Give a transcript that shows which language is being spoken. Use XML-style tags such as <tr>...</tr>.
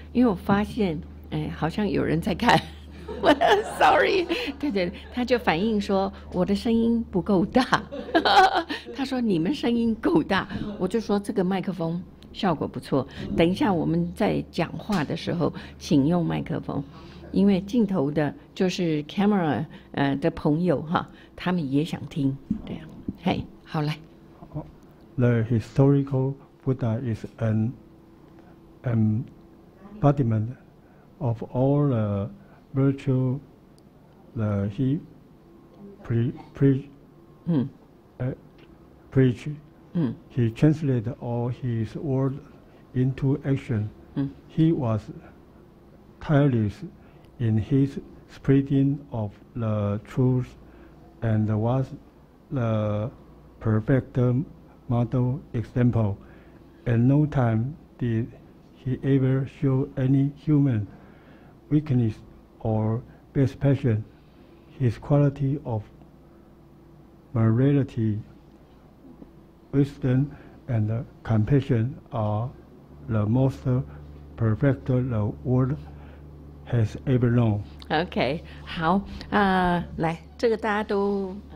<zh>因为我发现，哎，好像有人在看。我</zh> <en>sorry，</en> <zh>对对，他就反映说我的声音不够大，他说你们声音够大，我就说这个麦克风效果不错。等一下我们在讲话的时候，请用麦克风，因为镜头的就是 camera 的朋友哈，他们也想听，对呀，嘿，好来。</zh> <en>The historical Buddha is an embodiment of all the virtue, the he preach, he translated all his words into action. He was tireless in his spreading of the truth and was the perfect model example. At no time did he ever show any human weakness or base passion, his quality of morality, wisdom, and compassion are the most perfect the world has ever known.</en> <zh>OK，好啊，来，这个大家都</zh>